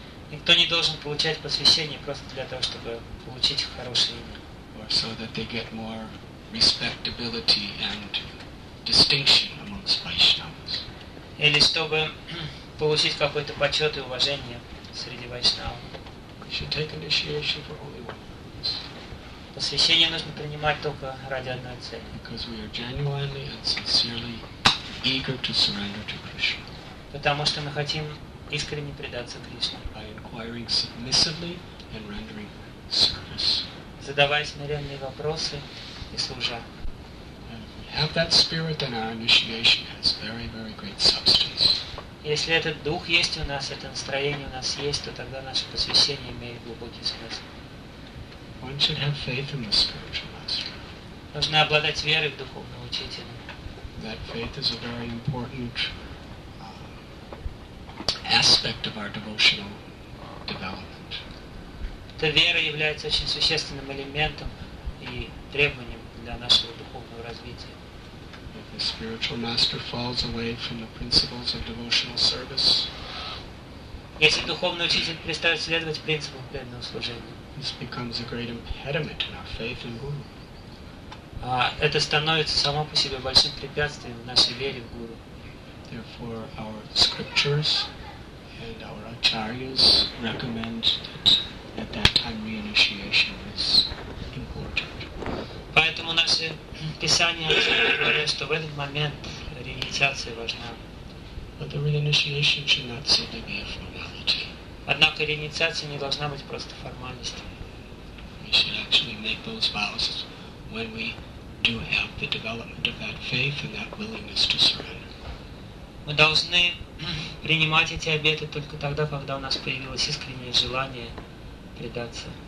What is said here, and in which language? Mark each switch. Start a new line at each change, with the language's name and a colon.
Russian: Никто не должен получать посвящение просто для того, чтобы получить хорошее имя.
English: Or so that they get more respectability and distinction amongst Vaishnavas.
Russian: Или чтобы получить какой-то почет и уважение среди вайшнавов.
English: We should take initiation for only one purpose.
Russian: Посвящение нужно принимать только ради одной цели.
English: Because we are genuinely and sincerely eager to surrender to Krishna.
Russian: Потому что мы хотим искренне предаться Кришне.
English: By inquiring submissively and rendering service.
Russian: Задавая смиренные вопросы и служа.
English: Have that spirit, then our initiation has very, very great substance.
Russian: Если этот дух есть у нас, это настроение у нас есть, то тогда наше посвящение имеет глубокий смысл.
English: One should have faith in the spiritual master.
Russian: Нужно обладать верой в духовного учителя.
English: That faith is a very important aspect of our devotional development.
Russian: Эта вера является очень существенным элементом и требованием для нашего духовного развития.
English: If the spiritual master falls away from the principles of devotional service,
Russian: если духовный учитель перестает следовать принципам преданного служения,
English: this becomes a great impediment in our faith in Guru.
Russian: Это становится само по себе большим препятствием в нашей вере в Гуру.
English: Therefore, our scriptures and our acharyas recommend that at that time reinitiation is important.
Russian: Поэтому наши писания говорят, что в этот момент реинициация важна.
English: But the reinitiation should not simply be a formality.
Russian: Однако реинициация не должна быть просто формальностью.
English: We should actually make those vows when we do have the development of that faith and that willingness to surrender.
Russian: Мы должны принимать эти обеты только тогда, когда у нас появилось искреннее желание предаться.